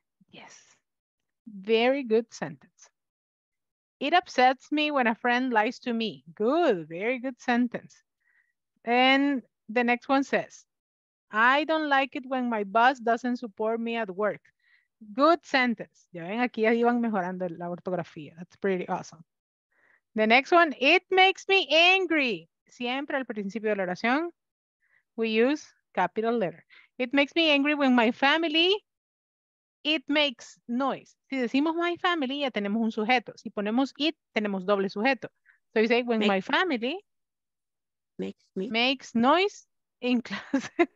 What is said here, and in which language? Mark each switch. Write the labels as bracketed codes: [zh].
[en] Yes, very good sentence. It upsets me when a friend lies to me. Good, very good sentence. And the next one says, I don't like it when my boss doesn't support me at work. Good sentence. [es] Ya ven, aquí ya iban mejorando la ortografía. [en] That's pretty awesome. The next one, it makes me angry. [es] Siempre al principio de la oración, [en] we use capital letter. It makes me angry when my family, it makes noise. [es] Si decimos my family, ya tenemos un sujeto. Si ponemos it, tenemos doble sujeto. [en] So you say, when my family makes noise in class.